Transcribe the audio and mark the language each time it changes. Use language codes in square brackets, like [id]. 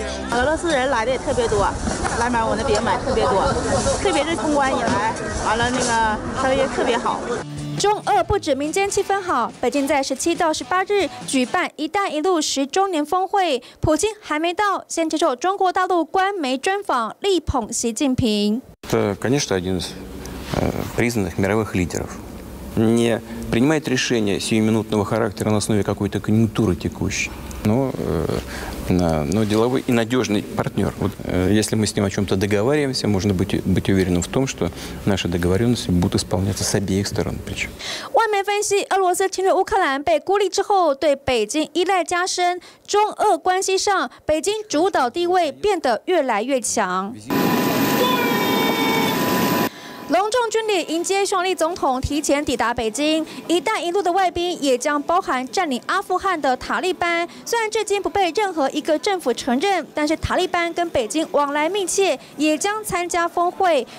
[zh] 俄罗斯人来的也特别多，来买我那边买特别多，特别是通关以来，完了那个生意特别好。中俄不止民间气氛好，北京在17到18日举办“一带一路”10周年峰会，普京还没到，先接受中国大陆官媒专访，力捧习近平。 [ru] Это, конечно, один из признанных мировых лидеров. Не принимает решения сиюминутного характера на основе какой-то конъюнктуры текущей, но деловой и надежный партнер. Вот, если мы с ним о чем-то договариваемся, можно быть уверенным в том, что наши договоренности будут исполняться с обеих сторон. [zh] 外媒分析，俄罗斯侵略乌克兰被孤立之后，对北京依赖加深，中俄关系上，北京主导地位变得越来越强。隆重军礼迎接匈牙利总统提前抵达北京，一带一路的外宾也将包含占领阿富汗的塔利班，虽然至今不被任何一个政府承认，但是塔利班跟北京往来密切，也将参加峰会。